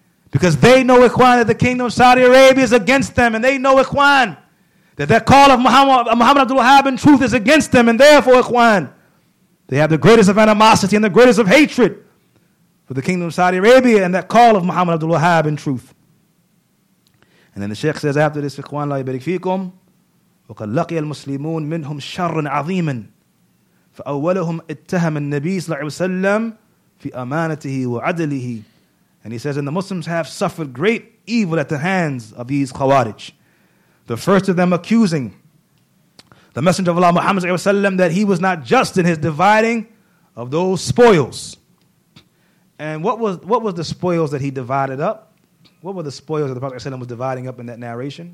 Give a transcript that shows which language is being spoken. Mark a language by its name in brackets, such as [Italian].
[English] Because they know, Ikhwan, that the kingdom of Saudi Arabia is against them. And they know, Ikhwan, that their call of Muhammad Abdul Wahhab in truth is against them. And therefore, Ikhwan, they have the greatest of animosity and the greatest of hatred for the kingdom of Saudi Arabia and that call of Muhammad Abdul Wahhab in truth. And then the Shaykh says after this, Ikhwan, [Arabic] la yabarik fikum, وَقَدْ لَقِيَ الْمُسْلِمُونَ مِنْهُمْ شَرٌ عَظِيمٌ فَأَوَّلَهُمْ اتَّهَمَ النَّبِي صلى الله عليه وسلم في أمانته وعدله. [English] And he says, and the Muslims have suffered great evil at the hands of these Khawarij. The first of them accusing the Messenger of Allah Muhammad SAW that he was not just in his dividing of those spoils. And what was the spoils that he divided up? What were the spoils that the Prophet was dividing up in that narration?